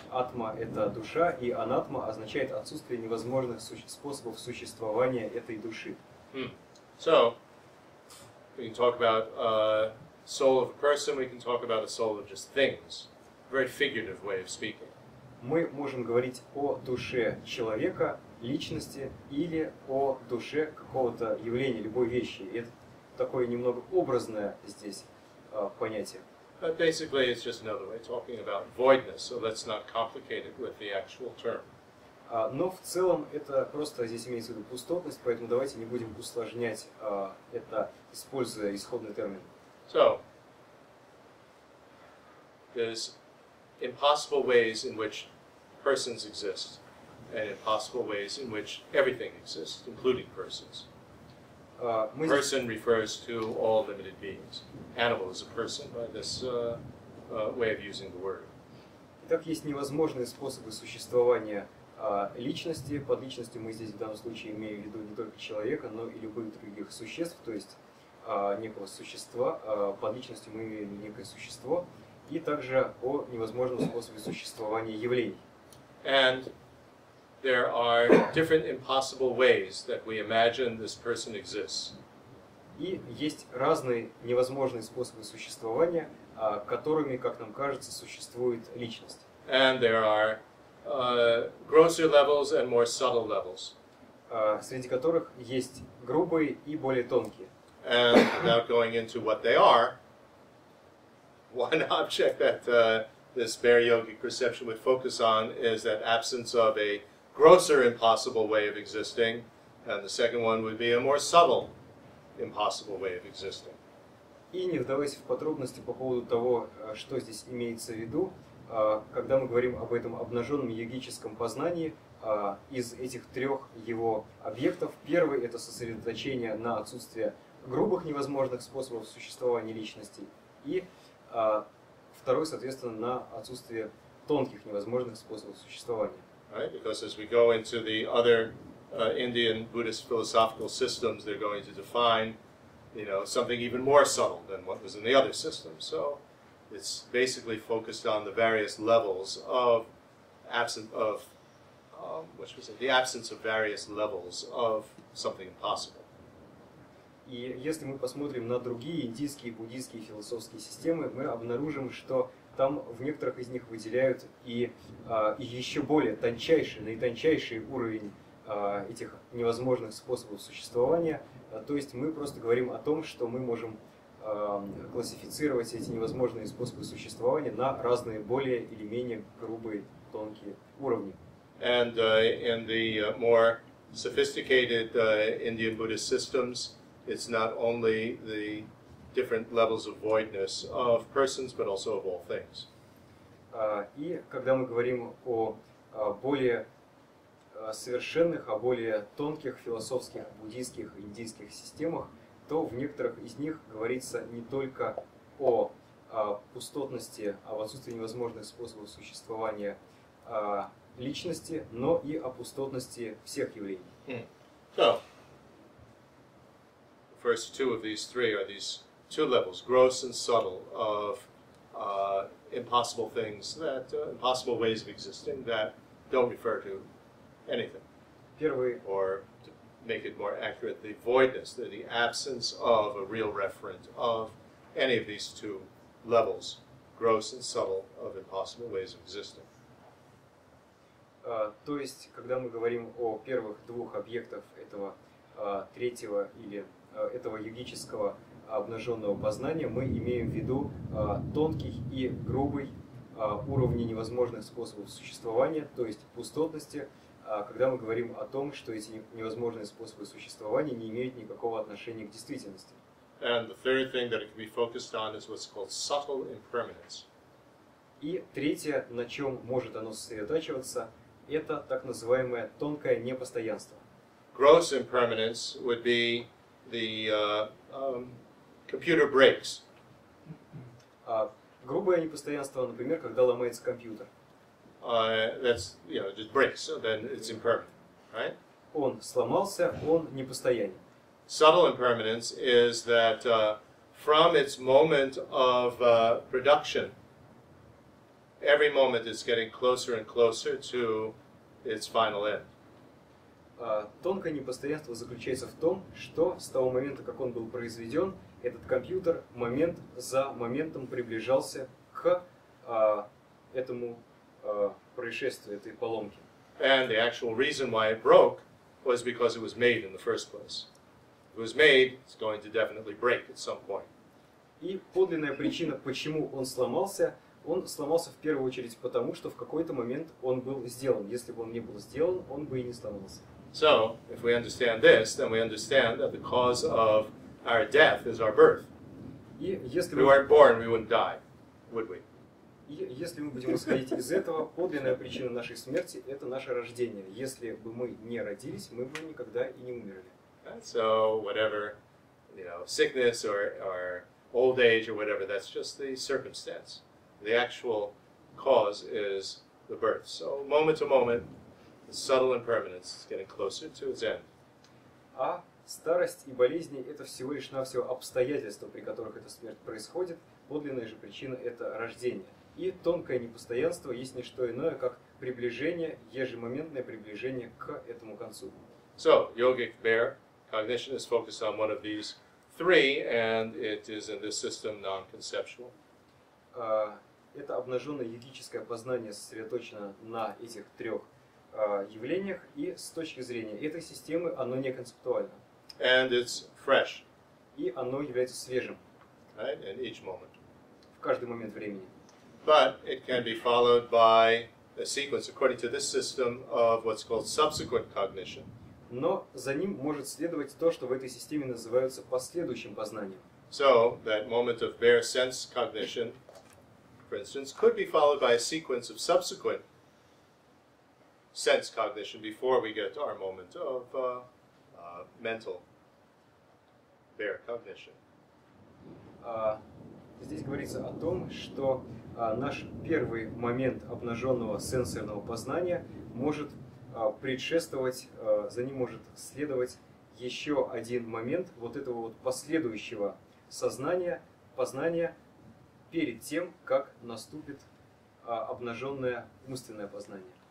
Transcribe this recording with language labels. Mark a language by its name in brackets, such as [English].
[Russian] Атма – это душа, и анатма означает отсутствие невозможных способов существования этой души. [English] So, we can talk about a soul of a person, we can talk about a soul of just things. Very figurative way of speaking. [Russian] Мы можем говорить о душе человека, личности, или о душе какого-то явления, любой вещи. Это такое немного образное здесь понятие. [English] But basically, it's just another way of talking about voidness, so let's not complicate it with the actual term. [Russian] Но в целом это просто здесь имеется в виду пустотность, поэтому давайте не будем усложнять это, используя исходный термин. [English] So, there's impossible ways in which persons exist, and impossible ways in which everything exists, including persons. Person refers to all limited beings. Animal is a person by this way of using the word. [Russian] Итак, есть невозможные способы существования личности. Под личностью мы здесь в данном случае имеем в виду не только человека, но и любых других существ, то есть некого существа. Под личностью мы имеем некое существо. И также о невозможном способе существования явлений. [English] And there are different impossible ways that we imagine this person exists. [Russian] И есть разные невозможные способы существования, которыми, как нам кажется, существует личность. [English] And there are grosser levels and more subtle levels. [Russian] Среди которых есть грубые и более тонкие. [English] And without going into what they are, one object that this bare yogic perception would focus on is that absence of a grosser impossible way of existing, and the second one would be a more subtle impossible way of existing. [Russian] И не вдаваясь в подробности по поводу того, что здесь имеется в виду, когда мы говорим об этом обнаженном йогическом познании, из этих трех его объектов, первый — это сосредоточение на отсутствии грубых невозможных способов существования личности, и второй, соответственно, на отсутствие тонких невозможных способов существования. [English] Right, because as we go into the other Indian Buddhist philosophical systems, they're going to define, you know, something even more subtle than what was in the other system. So it's basically focused on the various levels of absence of various levels of something impossible. [Russian] И если мы посмотрим на другие индийские, буддийские философские системы, мы обнаружим, что там в некоторых из них выделяют и еще более тончайший, наитончайший уровень этих невозможных способов существования. То есть мы просто говорим о том, что мы можем классифицировать эти невозможные способы существования на разные более или менее грубые, тонкие уровни. [English] And in the more sophisticated Indian Buddhist systems, it's not only the different levels of voidness of persons, but also of all things. [Russian] И когда мы говорим о более совершенных, о более тонких философских, буддийских, индийских системах, то в некоторых из них говорится не только о пустотности, об отсутствии невозможных способов существования личности, но и о пустотности всех явлений. [English] So, the first two of these three are these two levels, gross and subtle, of impossible things that impossible ways of existing that don't refer to anything. [Russian] Первый, [English] or to make it more accurate, the voidness, the absence of a real referent of any of these two levels, gross and subtle, of impossible ways of existing. [Russian] То есть, когда мы говорим о первых двух объектах этого третьего или этого йогического обнаженного познания, мы имеем в виду тонкий и грубый уровни невозможных способов существования, то есть пустотности, когда мы говорим о том, что эти невозможные способы существования не имеют никакого отношения к действительности. [English] And the third thing that it can be focused on is what's called subtle impermanence. [Russian] И третье, на чем может оно сосредотачиваться, это так называемое тонкое непостоянство. [English] Gross impermanence would be the computer breaks. [Russian] Грубое непостоянство, например, когда ломается компьютер. [English] That's, you know, it just breaks, so then it's impermanent, right? [Russian] он сломался, он непостоянен. [English] Subtle impermanence is that from its moment of production, every moment is getting closer and closer to its final end. [Russian] Тонкое непостоянство заключается в том, что с того момента, как он был произведен, этот компьютер момент за моментом приближался к этому происшествию, этой поломке. [English] And the actual reason why it broke was because it was made in the first place. If it was made, it's going to definitely break at some point. [Russian] И подлинная причина, почему он сломался, он сломался в первую очередь потому, что в какой-то момент он был сделан. Если бы он не был сделан, он бы и не сломался. [English] So, if we understand this, then we understand that the cause of our death is our birth. If we weren't born, we wouldn't die, would we? [Russian] И если мы будем исходить из этого, подлинная причина нашей смерти – это наше рождение. Если бы мы не родились, мы бы никогда и не умерли. [English] So, whatever, you know, sickness or old age or whatever, that's just the circumstance. The actual cause is the birth. So, moment to moment, the subtle impermanence is getting closer to its end. [Russian] А старость и болезни – это всего лишь навсего обстоятельства, при которых эта смерть происходит. Подлинная же причина – это рождение. И тонкое непостоянство есть не что иное, как приближение, ежемоментное приближение к этому концу. [English] So, yogic bear, cognition is focused on one of these three, and it is in this system non-conceptual. [Russian] Это обнаженное йогическое познание сосредоточено на этих трех явлениях, и с точки зрения этой системы оно не концептуально. [English] And it's fresh. [Russian] И оно является свежим. [English] Right? In each moment. [Russian] В каждый момент времени. [English] But it can be followed by a sequence, according to this system, of what's called subsequent cognition. [Russian] Но за ним может следовать то, что в этой системе называется последующим познанием. [English] So, that moment of bare sense cognition, for instance, could be followed by a sequence of subsequent sense cognition before we get to our moment of mental bare cognition. [Russian] Здесь говорится о том, что наш первый момент обнаженного сенсорного познания может предшествовать, за ним может следовать еще один момент вот этого вот последующего сознания, познания перед тем, как наступит обнаженное умственное познание.